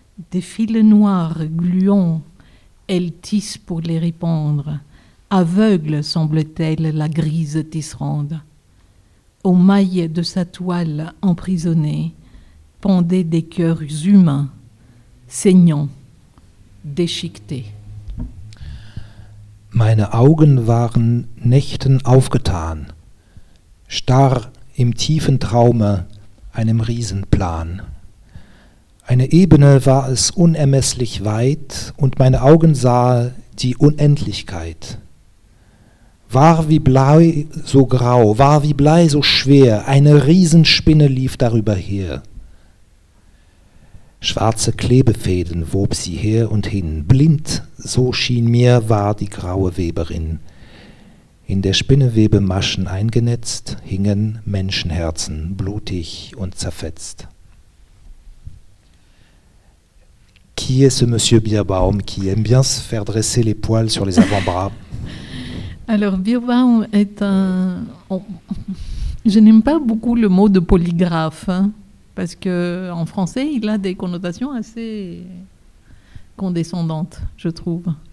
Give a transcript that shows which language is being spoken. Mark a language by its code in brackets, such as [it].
[fr] Des fils noirs gluants, elle tisse pour les répandre. Aveugle semble-t-elle la grise tisserande. Aux mailles de sa toile emprisonnée, pendaient des cœurs humains, saignants, déchiquetés. [de] Meine Augen waren Nächten aufgetan, starr im tiefen Traume einem Riesenplan. Eine Ebene war es unermesslich weit, und meine Augen sah die Unendlichkeit. War wie Blei so grau, war wie Blei so schwer, eine Riesenspinne lief darüber her. Schwarze Klebefäden wob sie her und hin, blind, so schien mir, war die graue Weberin. In der Spinnewebe Maschen eingenetzt, hingen Menschenherzen blutig und zerfetzt. [fr] Qui est ce monsieur Bierbaum qui aime bien se faire dresser les poils sur les avant-bras? Alors Bierbaum est un... Je n'aime pas beaucoup le mot de polygraphe, hein. Parce qu'en français, il a des connotations assez condescendantes, je trouve.